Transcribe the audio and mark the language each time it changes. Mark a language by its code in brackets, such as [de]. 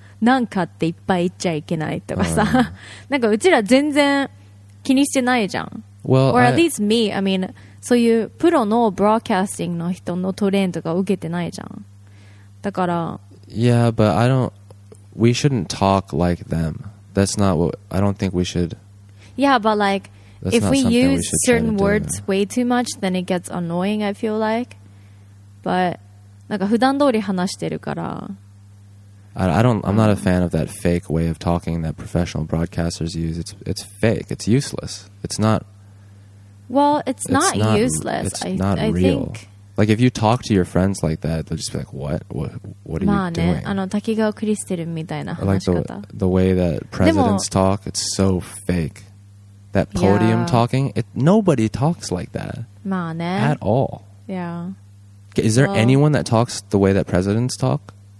[ja] なんかっていっぱい言っちゃいけないとかさ。なんかうちら全然気にしてないじゃん。 [en] Well, or at least me, I mean, [ja] そういうプロのブロードキャスティングの人のトレーンとか受けてないじゃん。だから [en] Yeah, but I don't We shouldn't talk like them. That's not what I don't think we should. Yeah, but like if we use certain words way too much, then it gets annoying, I feel like. But [ja] なんか普段通り話してるから [en] I'm not a fan of that fake way of talking that professional broadcasters use. It's fake. It's useless. It's not. Well, it's not useless. It's not real. I think, like if you talk to your friends like that, they'll just be like, "What are [ja] まあ、ね、 [en] you doing?" [ja] あの滝川クリステルみたいな話し方。 [en] Like the way that presidents talk, it's so fake. That podium talking, nobody talks like that. [ja] まあ、ね、 [en] at all. Yeah. Is there anyone that talks the way that presidents talk?